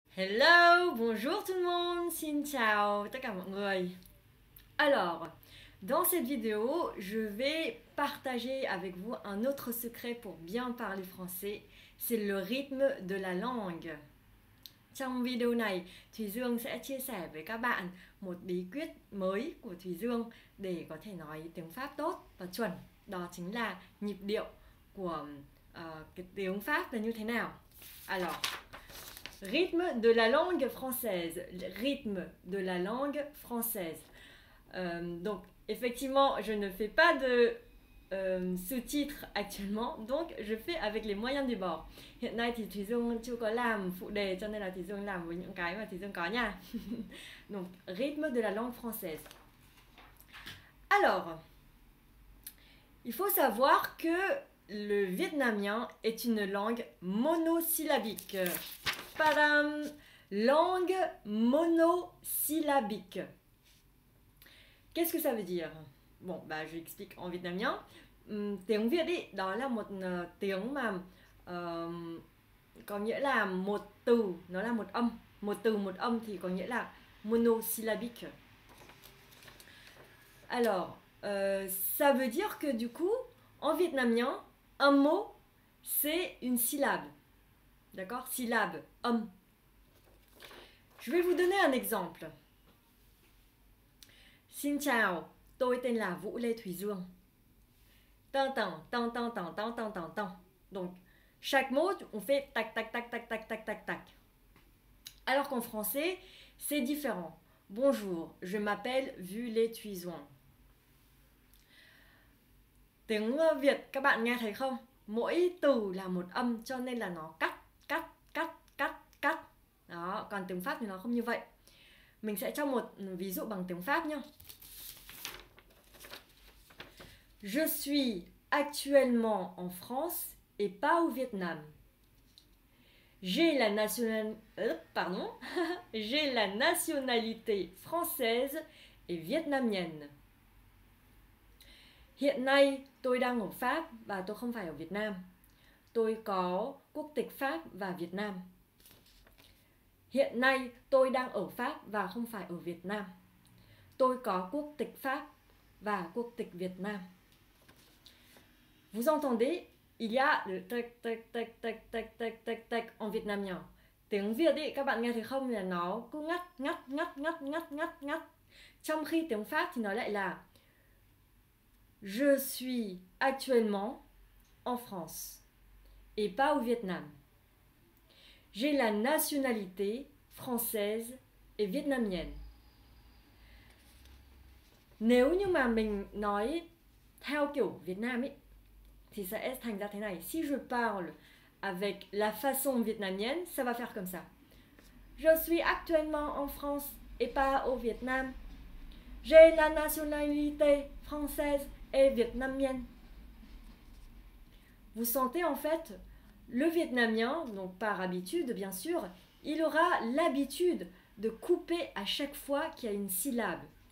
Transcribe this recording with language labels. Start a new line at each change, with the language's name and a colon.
English: Hello,
French: bonjour tout le monde,
Vietnamese: xin chào tất cả mọi người.
French: Alors, dans cette vidéo, je vais partager avec vous un autre secret pour bien parler français, c'est le rythme de la langue.
Vietnamese: Trong video này, Thùy Dương sẽ chia sẻ với các bạn một bí quyết mới của Thùy Dương để có thể nói tiếng Pháp tốt và chuẩn. Đó chính là nhịp điệu của cái tiếng Pháp là như thế nào.
French: Alors, rythme de la langue française. Rythme de la langue française. Donc, effectivement, je ne fais pas de sous-titres actuellement, donc je fais avec les moyens du bord.
Vietnamese: Hiện nay thì Thùy Dương chưa có làm phụ đề, cho nên là Thùy Dương làm với những cái mà Thùy Dương có nha.
French: Donc, rythme de la langue française. Alors, il faut savoir que le vietnamien est une langue monosyllabique. Param, langue monosyllabique. Qu'est-ce que ça veut dire? Bon, bah, je l'explique en vietnamien.
Vietnamese: Tiếng Việt ý, đó là một tiếng mà có nghĩa là một từ, nó là một âm. Một từ, một âm thì có nghĩa là monosyllabique.
French: Alors, ça veut dire que du coup, en vietnamien, un mot, c'est une syllabe. D'accord? Syllabe, homme. Je vais vous donner un exemple.
Vietnamese: Xin chào, tôi tên là Vũ Lê Thùy Dương.
French: Tan tan tan tan tan tan tan tan tan. Donc, chaque mot, on fait tac tac tac tac tac tac tac tac. Alors qu'en français, c'est différent. Bonjour, je m'appelle Vũ Lê Thùy Dương.
Vietnamese: Tiếng Việt, các bạn nghe thấy không? Mỗi từ là một âm, cho nên là nó cắt. Cắt, cắt, cắt, cắt. Đó, còn tiếng Pháp thì nó không như vậy. Mình sẽ cho một ví dụ bằng tiếng Pháp nhá.
French: Je suis actuellement en France et pas au Vietnam. J'ai la nationalité, pardon. J'ai la nationalité française et vietnamienne.
Vietnamese: Hiện nay, tôi đang ở Pháp và tôi không phải ở Việt Nam. Tôi có quốc tịch Pháp và Việt Nam. Hiện nay tôi đang ở Pháp và không phải ở Việt Nam. Tôi có quốc tịch Pháp và quốc tịch Việt Nam.
French: Vous entendez? Il y a le tac tac tac tac tac tac tac tac en vietnamien.
Vietnamese: Tiếng Việt ấy, các bạn nghe thấy không, là nó cứ ngắt ngắt ngắt ngắt ngắt ngắt ngắt. Trong khi tiếng Pháp thì nó lại là
French: Je suis actuellement en France. Et pas au Vietnam. J'ai la nationalité française et vietnamienne.
Vietnamese: Nếu như mà mình nói theo kiểu Việt Nam ấy, thì sẽ thành ra thế này.
French: Si je parle avec la façon vietnamienne, ça va faire comme ça. Je suis actuellement en France et pas au Vietnam. J'ai la nationalité française et vietnamienne. Vous sentez en fait, le vietnamien, donc par habitude bien sûr, il aura l'habitude de couper à chaque fois qu'il y a une syllabe.